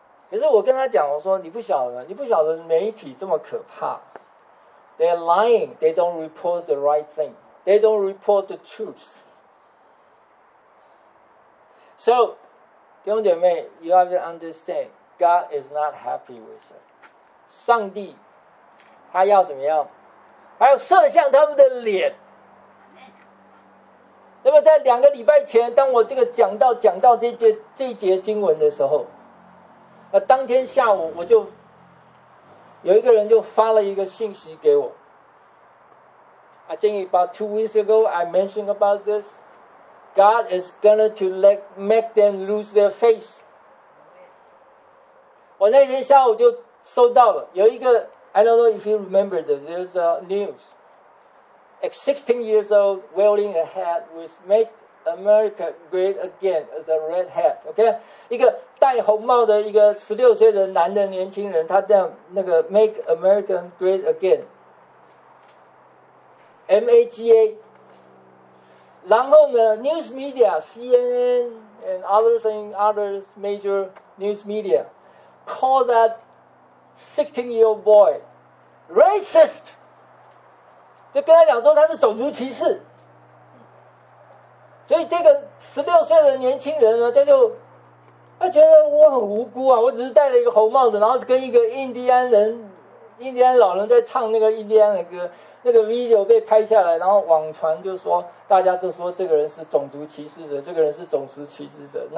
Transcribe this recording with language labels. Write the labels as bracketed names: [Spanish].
[Chinese] 可是我跟他讲，我说你不晓得，你不晓得媒体这么可怕， [English] they are lying， they don't report the right thing， they don't report the truth。 So [Chinese] 弟兄姐妹， [English] you have to understand God is not happy with it。 [Chinese] 上帝他要怎么样，还要射向他们的脸。那么在两个礼拜前，当我这个讲到这节经文的时候，那当天下午我就有一个人就发了一个信息给我。 [English] I think about 2 weeks ago I mentioned about this. God is gonna to make them lose their face. [Chinese] 我那天下午就收到了，有一个 [English] I don't know if you remember this. There's a news. A 16 years old wearing a hat with "Make America Great Again" as a red hat. [Chinese] Okay, 一个戴红帽的一个16岁的男的年轻人，他这样那个 [English] "Make America Great Again." M A G A. [Chinese] 然后呢 [English] ，news media CNN and other major news media call that. 16-year-old boy, racist. [Chinese] 就跟他讲说他是种族歧视。所以这个16岁的年轻人呢，他觉得我很无辜啊，我只是戴了一个红帽子，然后跟一个印第安老人在唱那个印第安的歌，那个 video 被拍下来，然后网传就说大家就说这个人是种族歧视者，这个人是种族歧视者。